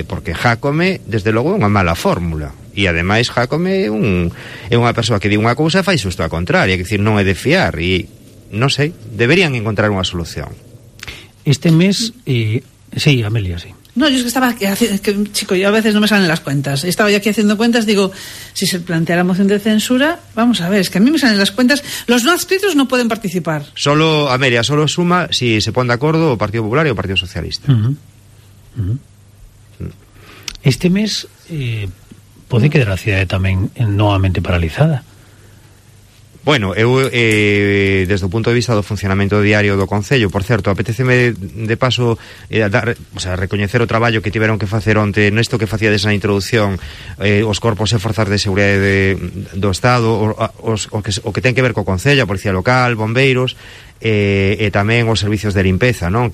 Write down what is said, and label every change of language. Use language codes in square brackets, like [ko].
[gl] Porque Jácome, desde logo, é unha mala fórmula. E, ademais, Jácome é unha persoa que di unha cousa e fai xusto a contrario. É dicir, non é de fiar. E, non sei, deberían encontrar unha solución. Este mes... Sí, Amelia, sí. [es] No, yo es que estaba aquí haciendo, que, chico, yo a veces no me salen las cuentas. Estaba yo aquí haciendo cuentas, digo, si se plantea la moción de censura, vamos a ver, es que a mí me salen las cuentas. Los no adscritos no pueden participar. Solo, Amelia, solo suma si se pone de acuerdo o Partido Popular y o Partido Socialista. Este mes puede quedar la ciudad también nuevamente paralizada. [gl] Bueno, eu, desde o punto de vista do funcionamento diario do concello, por certo, apetéceme de paso recoñecer o traballo que tiveron que facer onte nesto que facíades na introdución, os corpos e forzas de seguridade do Estado, o que ten que ver co concello, a policía local, bombeiros, e tamén os servicios de limpeza, non?